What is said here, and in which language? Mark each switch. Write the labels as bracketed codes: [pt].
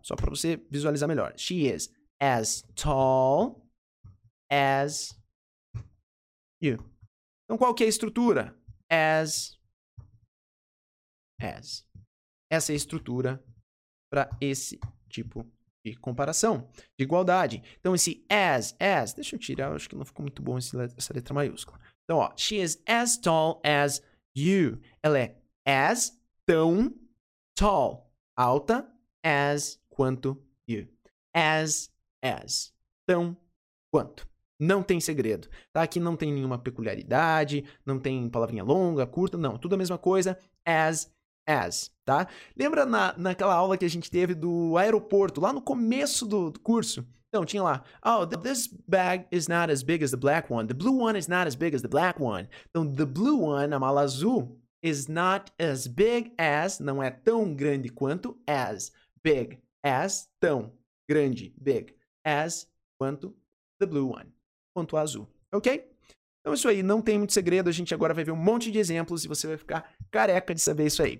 [pt] Só pra você visualizar melhor. [en] She is as tall as you. [pt] Então, qual que é a estrutura? As. Essa é a estrutura pra esse tipo de comparação, de igualdade. Então, esse as, deixa eu tirar, acho que não ficou muito bom essa letra maiúscula. [en] Então, ó, she is as tall as you. [pt] Ela é as tão tall, alta, as quanto you. As, tão quanto. Não tem segredo, tá? Aqui não tem nenhuma peculiaridade, não tem palavrinha longa, curta, não. Tudo a mesma coisa, as, tá? Lembra naquela aula que a gente teve do aeroporto, lá no começo do curso? Então, tinha lá, [en] oh, this bag is not as big as the black one. The blue one is not as big as the black one. Então, the blue one, [pt] a mala azul, [en] is not as big as, [pt] não é tão grande quanto, [en] as, big, as, tão, grande, big, as, quanto, the blue one, [pt] quanto azul, [en] ok? [pt] Então, isso aí, não tem muito segredo, a gente agora vai ver um monte de exemplos e você vai ficar careca de saber isso aí.